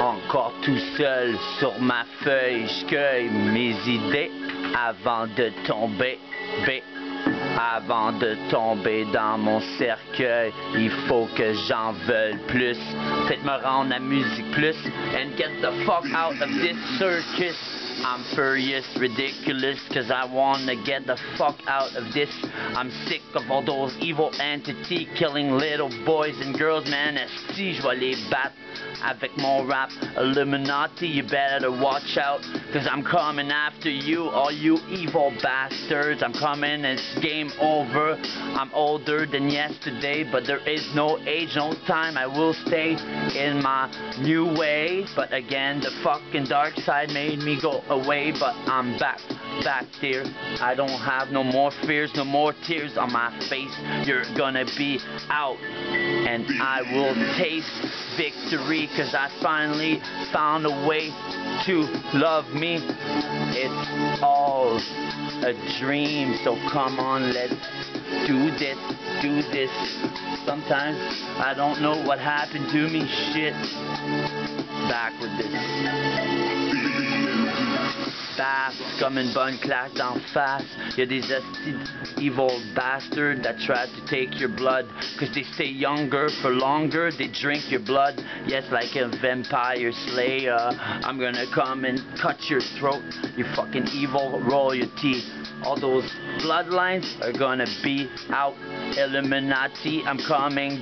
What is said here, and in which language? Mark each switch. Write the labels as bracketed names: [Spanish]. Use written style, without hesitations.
[French] Encore tout seul sur ma feuille, je cueille mes idées avant de tomber. Avant de tomber dans mon cercueil, il faut que j'en veuille plus. Faites me rendre la musique plus. [English] And get the fuck out of this circus. I'm furious, ridiculous, cause I wanna get the fuck out of this. I'm sick of all those evil entities killing little boys and girls, man. [French] Esti, je vais les battre avec mon rap. [English] Illuminati, you better watch out, cause I'm coming after you, all you evil bastards. I'm coming, it's game over. I'm older than yesterday, but there is no age, no time. I will stay in my new way, but again, the fucking dark side made me go away, but I'm back there. I don't have no more fears, no more tears on my face. You're gonna be out, and I will taste victory, cause I finally found a way to love me. It's all a dream, so come on, let's do this. Sometimes I don't know what happened to me. Shit, back with this. [French] Comme une bonne claque d'en face. Y'a des [English] evil bastards that try to take your blood, cause they stay younger for longer. They drink your blood, yes, like a vampire slayer. I'm gonna come and cut your throat, you fucking evil royalty. All those bloodlines are gonna be out. Illuminati, I'm coming.